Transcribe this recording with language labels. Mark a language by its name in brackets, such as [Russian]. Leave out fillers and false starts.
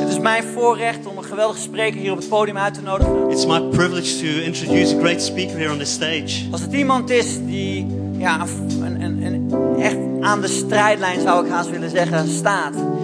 [Dutch] Het is mijn voorrecht om een geweldige spreker hier op het podium uit te nodigen. [English] It's my privilege to introduce a great speaker here on the stage. [Dutch] Als het iemand is die ja, een echt aan de strijdlijn zou ik haast willen zeggen staat.